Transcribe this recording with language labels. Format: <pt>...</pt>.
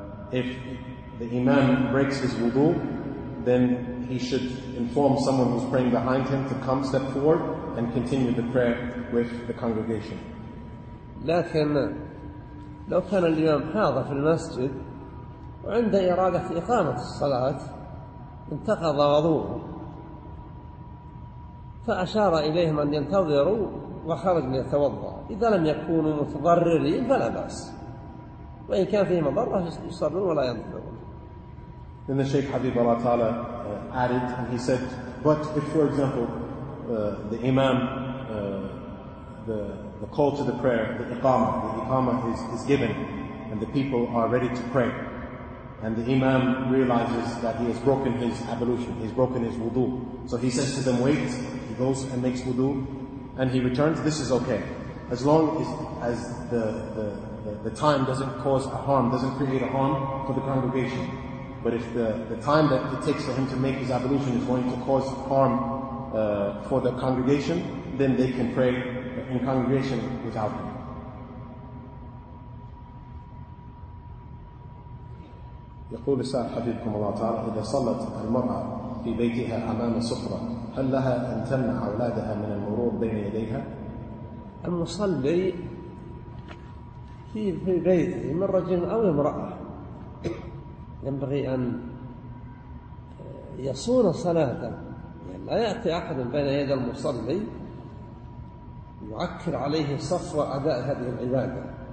<en>If the imam breaks his wudu, then he should inform someone who's praying behind him to come step forward and continue the prayer with the congregation.</en> <ar>لكن لو كان الإمام حاضر في المسجد وعنده إرادة في إقامة الصلاة انتقض وضوءه فأشار إليهم أن ينتظروا وخرج ليتوضأ. إذا لم يكونوا متضررين فلا بأس. وإن كان فيه مضرة يصلون ولا ينتظرون.</ar> <en>Then the Shaykh Habib Allah Ta'ala added, and he said, but if, for example, the imam, the call to the prayer, the iqamah is given, and the people are ready to pray, and the imam realizes that he has broken his ablution, he's broken his wudu, so he says to them, wait, he goes and makes wudu, and he returns, this is okay. As long as the time doesn't cause a harm, doesn't create a harm for the congregation. But if the time that it takes for him to make his ablution is going to cause harm for the congregation, then they can pray in congregation without him.</en> <ar>يقول السائل حبيبكم الله تعالى إذا صلت المرأة في بيتها أمام صخرة هل لها أن تمنع أولادها من المرور بين يديها؟ المصلي في بيته من رجل أو امرأة ينبغي أن يصون صلاته، يعني لا يأتي أحد بين يدي المصلي يعكر عليه صفو أداء هذه العبادة.</ar>